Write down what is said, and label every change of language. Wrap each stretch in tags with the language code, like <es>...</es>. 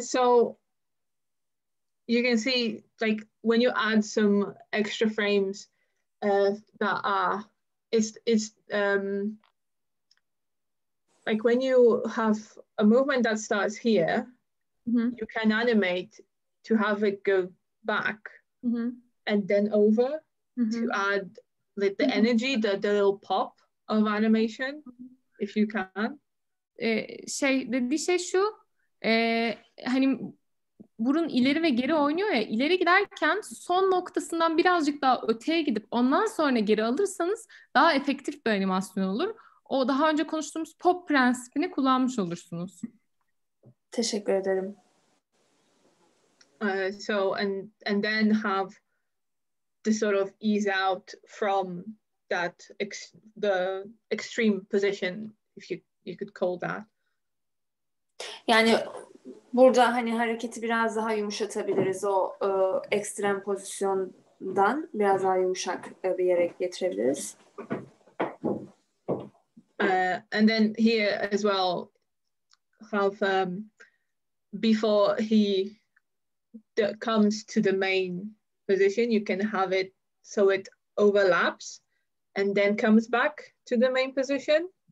<en>So you can see like when you add some extra frames, that are it's like when you have a movement that starts here, mm-hmm. you can animate to have it go back mm-hmm. and then over mm-hmm. to add like the mm-hmm. energy, the little pop of animation, mm-hmm. if you can.</en> <tr>Şey, dediği şey şu, hani burun ileri ve geri oynuyor ya, ileri giderken son noktasından birazcık daha öteye gidip ondan sonra geri alırsanız daha efektif bir animasyon olur. O daha önce konuştuğumuz pop prensibini kullanmış olursunuz. Teşekkür ederim.</tr> <en>So and then have the sort of ease out from that the extreme position, if you could call that.</en> <tr>Yani burada hani hareketi biraz daha yumuşatabiliriz, o ekstrem pozisyondan biraz daha yumuşak bir yere getirebiliriz.</tr> <en>And then here as well have before he that comes to the main position, you can have it so it overlaps and then comes back to the main position.</en>